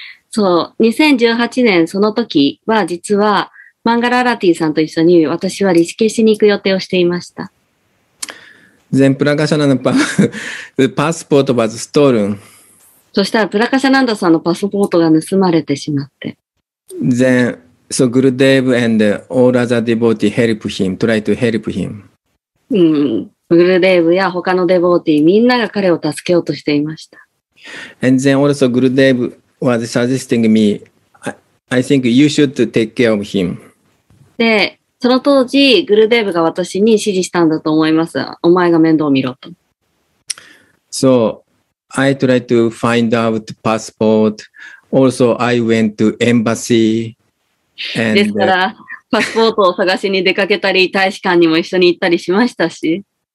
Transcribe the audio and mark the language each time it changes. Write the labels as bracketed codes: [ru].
[ja] そう、2018年その時は実はマンガララティさんと一緒に私はリシケシに行く予定をしていました。 [en] Then プラカシャナンダのパスポートはストールン。 [ja] そしたらプラカシャナンダさんのパスポートが盗まれてしまって。 [en] Then, so Gurudev and all other devotees help him, try to help him. [ja] Gurudev や他のデボーティーみんなが彼を助けようとしていました。 [en] And then also Gurudev,was suggesting me, I think you should take care of him. [ja] で、その当時、グルデーブが私に指示したんだと思います。お前が面倒を見ろと。 [en] So, I tried to find out passport. Also, I went to embassy. And... [ja] ですから、パスポートを探しに出かけたり、大使館にも一緒に行ったりしましたし。